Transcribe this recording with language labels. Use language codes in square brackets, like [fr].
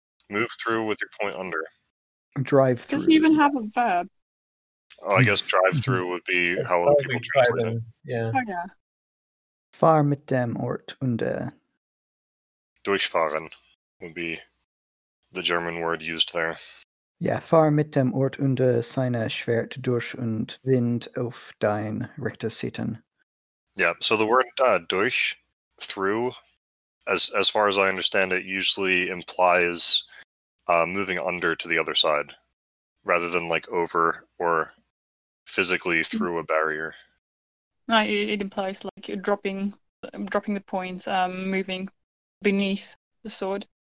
[en] Move through with your point under. Drive through. Does he even have a verb? Oh, I guess drive through would be how other people translate it. Yeah. Oh, yeah. [de] Fahr mit dem Ort unter. [en] Durchfahren would be the German word used there. [de] Yeah, fahr mit dem Ort unter seine Schwert durch und wind auf dein rechter Seiten. [en] Yeah, so the word durch, through, As far as I understand it, usually implies moving under to the other side rather than like over or physically through a barrier. No, it implies like you're dropping the point, moving beneath the sword.